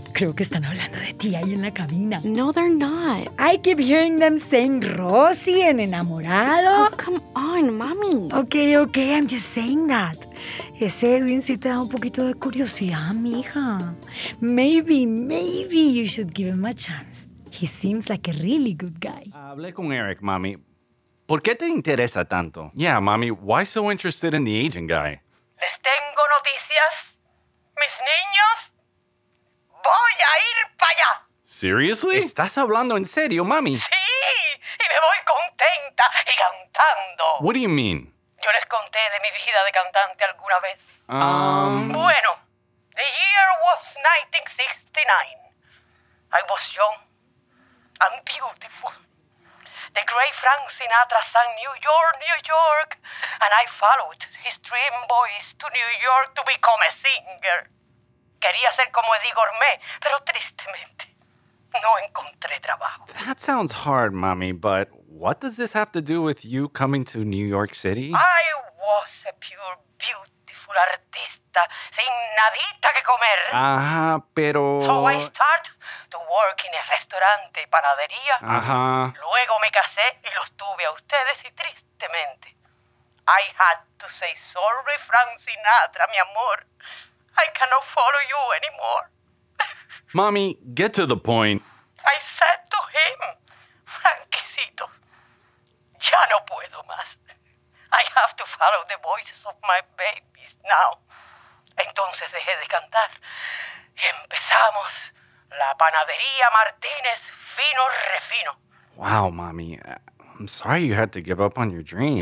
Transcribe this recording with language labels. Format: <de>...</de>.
<es>Creo que están hablando de ti ahí en la cabina.</es> <en>No, they're not. I keep hearing them saying Rossi</en> <es>en enamorado.</es> <en>Oh, come on, mami. Okay, okay, I'm just saying that.</en> <es>Ese Edwin sí te da un poquito de curiosidad, mija.</es> <en>Maybe, maybe you should give him a chance. He seems like a really good guy.</en> <es>Hablé con Eric, mami. ¿Por qué te interesa tanto?</es> <en>Yeah, mami, why so interested in the agent guy?</en> <es>Les tengo noticias, mis niños. ¡Voy a ir para allá!</es> <en>¿Seriously?</en> <es>¿Estás hablando en serio, mami? ¡Sí! Y me voy contenta y cantando.</es> <en>What do you mean?</en> <es>Yo les conté de mi vida de cantante alguna vez. Bueno,</es> <en>the year was 1969. I was young and beautiful. The great Frank Sinatra sang New York, New York. And I followed his dream voice to New York to become a singer.</en> <es>Quería ser como Eddie Gourmet, pero tristemente, no encontré trabajo.</es> <en>That sounds hard, mami, but what does this have to do with you coming to New York City? I was a pure, beautiful</en> <es>artista, sin nadita que comer. Ajá, pero...</es> <en>So I start to work in a restaurant, panadería. Ajá.</en> <es>Luego me casé y los tuve a ustedes y tristemente,</es> <en>I had to say sorry,</en> <es>Frank Sinatra, mi amor.</es> <en>I cannot follow you anymore. Mommy, get to the point. I said to him, Franquisito,</en> <es>ya no puedo más.</es> <en>I have to follow the voices of my babies now.</en> <es>Entonces dejé de cantar. Y empezamos la panadería Martinez fino refino.</es> <en>Wow, mommy. I'm sorry you had to give up on your dreams.</en>